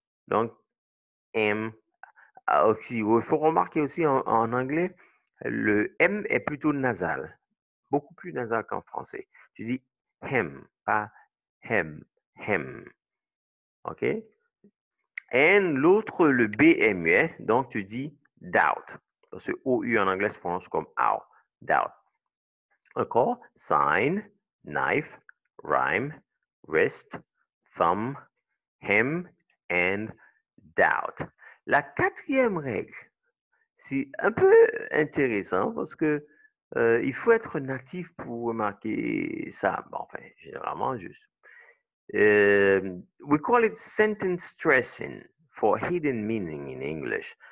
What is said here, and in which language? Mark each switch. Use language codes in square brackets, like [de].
[fr] Donc, M. Ah, aussi, il faut remarquer aussi en anglais, le M est plutôt nasal, beaucoup plus nasal qu'en français. Tu dis hem, pas hem, hem. OK? Et l'autre, le B est muet, donc tu dis doubt. Parce que OU en anglais se prononce comme out, doubt. [en] Encore, sign, knife, rhyme, wrist, thumb, hem, and doubt. [fr] La quatrième règle, c'est un peu intéressant parce que il faut être natif pour remarquer ça. Bon, enfin, généralement, juste. [en] We call it sentence stressing for hidden meaning in English.